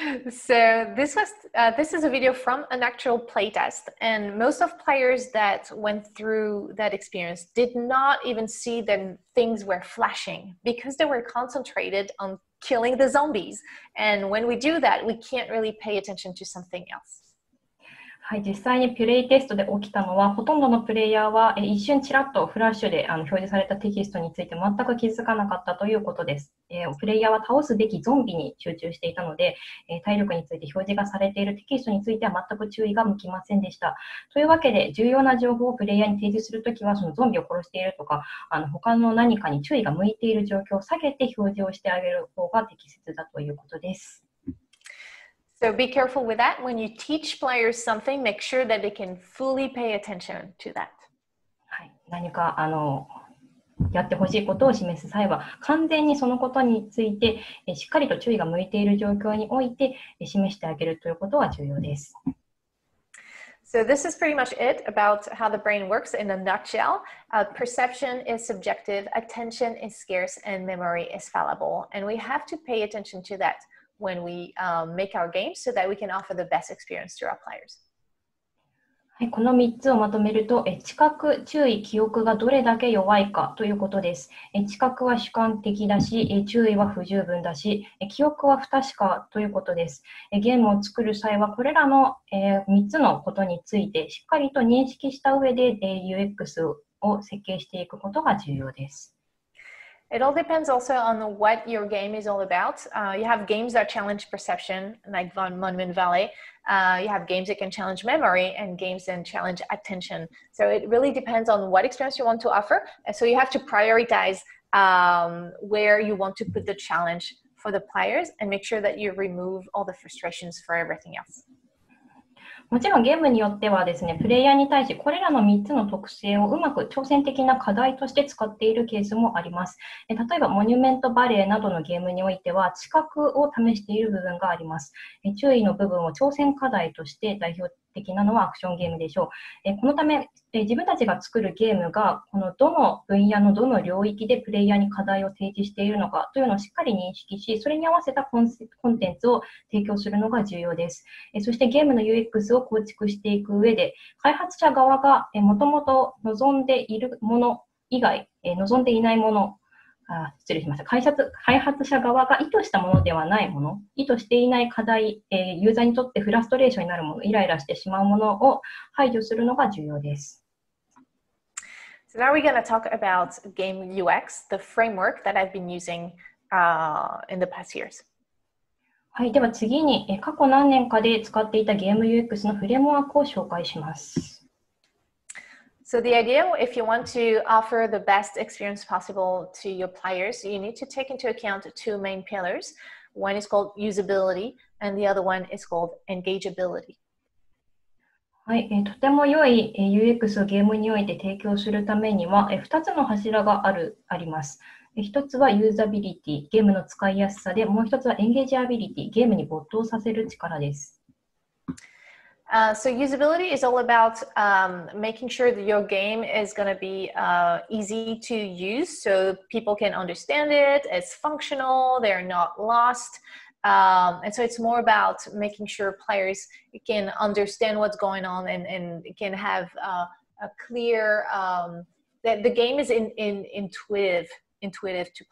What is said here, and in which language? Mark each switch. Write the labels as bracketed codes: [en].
[en] So this was this is a video from an actual playtest, and most of players that went through that experience did not even see that things were flashing because they were concentrated on killing the zombies. And when we do that, we can't really pay attention to something else. [ja] はい、実際にプレイテストで起きたのは、ほとんどのプレイヤーは一瞬ちらっとフラッシュで表示されたテキストについて全く気づかなかったということです。プレイヤーは倒すべきゾンビに集中していたので、体力について表示がされているテキストについては全く注意が向きませんでした。というわけで、重要な情報をプレイヤーに提示するときは、そのゾンビを殺しているとか、他の何かに注意が向いている状況を避けて表示をしてあげる方が適切だということです。 [en] So be careful with that. When you teach players something, make sure that they can fully pay attention to that. [ja] はい、何かやってほしいことを示す際は、完全にそのことについてしっかりと注意が向いている状況において示してあげるということは重要です。 [en] So this is pretty much it about how the brain works in a nutshell. Perception is subjective, attention is scarce, and memory is fallible. And we have to pay attention to that. When we make our games, so that we can offer the best experience to our players. [ja] この3つをまとめると、知覚、注意、記憶がどれだけ弱いかということです。知覚は主観的だし、注意は不十分だし、記憶は不確かということです。ゲームを作る際は、これらの3つのことについて、しっかりと認識した上で、UX を設計していくことが重要です。 [en] It all depends also on what your game is all about. You have games that challenge perception, like Monument Valley. You have games that can challenge memory, and games that challenge attention. So it really depends on what experience you want to offer. And so you have to prioritize where you want to put the challenge for the players and make sure that you remove all the frustrations for everything else. [ja] もちろんゲームによってはですね、プレイヤーに対しこれらの3つの特性をうまく挑戦的な課題として使っているケースもあります。例えばモニュメントバレーなどのゲームにおいては知覚を試している部分があります。注意の部分を挑戦課題として代表的なのはアクションゲームでしょう。このため自分たちが作るゲームがこのどの分野のどの領域でプレイヤーに課題を提示しているのかというのをしっかり認識し、それに合わせたコンテンツを提供するのが重要です。そしてゲームの UX を構築していく上で、開発者側がもともと望んでいるもの以外、望んでいないもの、失礼しました。開発者側が意図したものではないもの、意図していない課題、ユーザーにとってフラストレーションになるもの、イライラしてしまうものを排除するのが重要です。 [en] So now we're going to talk about game UX, the framework that I've been using, in the past years. [ja] はい、では次に過去何年かで使っていたゲーム UX のフレームワークを紹介します。 [en] So the idea, if you want to offer the best experience possible to your players, you need to take into account two main pillars. One is called usability, and the other one is called engageability. [ja] はい、とても良い UX をゲームにおいて提供するためには、2つの柱があるあります。 1つはユーザビリティ、ゲームの使いやすさで、もう1つはエンゲージアビリティ、ゲームに没頭させる力です。 [en] So usability is all about making sure that your game is going to be easy to use so people can understand it, it's functional, they're not lost. And so it's more about making sure players can understand what's going on and can have a clear, that the game is intuitive to play.